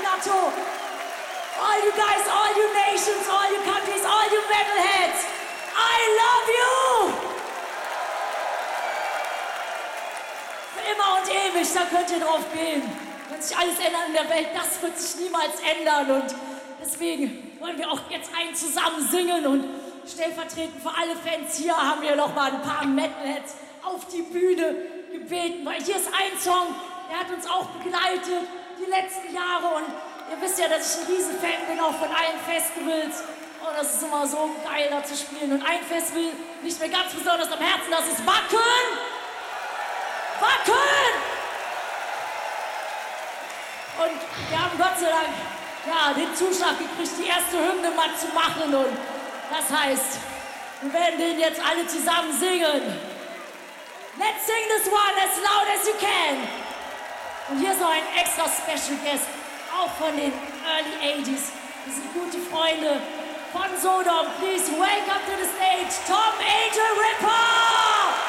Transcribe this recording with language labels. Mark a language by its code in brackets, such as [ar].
[en] All you guys, all you nations, all you countries, all you metalheads, I love you! [de] Für immer und ewig, da könnt ihr drauf gehen. Wenn sich alles ändert in der Welt, das wird sich niemals ändern. Und deswegen wollen wir auch jetzt einen zusammen singen. Und stellvertretend für alle Fans hier haben wir noch mal ein paar Metalheads auf die Bühne gebeten. Weil hier ist ein Song, der hat uns auch begleitet die letzten Jahre. Und ihr wisst ja, dass ich ein Riesenfan bin, auch von allen Festivals. Und das ist immer so geil, da zu spielen. Und ein Festival liegt mir ganz besonders am Herzen, das ist Wacken! Wacken! Und wir haben Gott sei Dank ja, den Zuschlag gekriegt, die erste Hymne mal zu machen. Und das heißt, wir werden den jetzt alle zusammen singen. [en] Let's sing this one as loud as you can. [de] Und hier ist noch ein [en] extra Special Guest. [de] Auch von den [en] early 80s. [de] Wir sind gute Freunde von Sodom. [en] Please welcome to the stage Tom Angel Ripper!